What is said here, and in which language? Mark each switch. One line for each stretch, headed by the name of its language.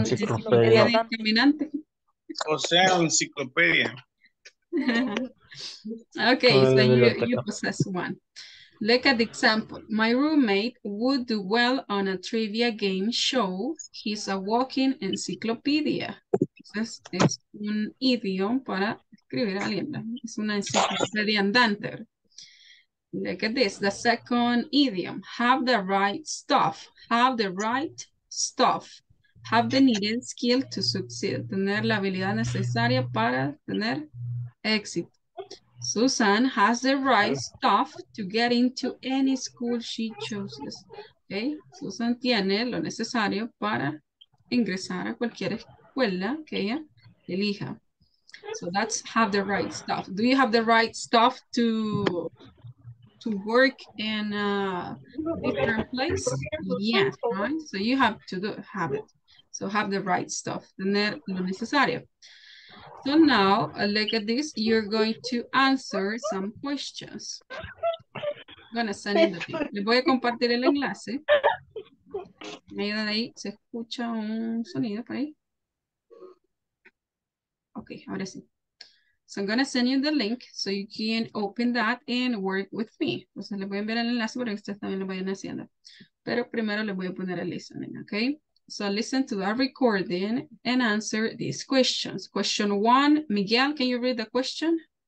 Spanish: enciclopedia discriminante. O sea, enciclopedia.
English: Okay, so you possess one. Look at the example. My roommate would do well on a trivia game show. He's a walking encyclopedia.
Spanish: Entonces, es un idioma para escribir a alguien. Es una enciclopedia andante.
English: Look at this. The second idiom. Have the right stuff. Have the right stuff. Have the needed skill to succeed.
Spanish: Tener la habilidad necesaria para tener éxito.
English: Susan has the right stuff to get into any school she chooses.
Spanish: Okay, Susan tiene lo necesario para ingresar a cualquier escuela que ella elija.
English: So that's have the right stuff. Do you have the right stuff to work in a different place? Yes, right? So you have to have it. So have the right stuff.
Spanish: Tener lo necesario.
English: So now, look at this. You're going to answer some questions. gonna send it.
Spanish: Les voy a compartir el enlace. Me ayuda ahí, se escucha un sonido por ahí. Okay, ahora sí.
English: So I'm gonna send you the link so you can open that and work with me.
Spanish: Entonces les voy a enviar el enlace para que ustedes también lo vayan haciendo. Pero primero les voy a poner el listening, okay?
English: So listen to that recording and answer these questions. Question one, Miguel, can you read the question?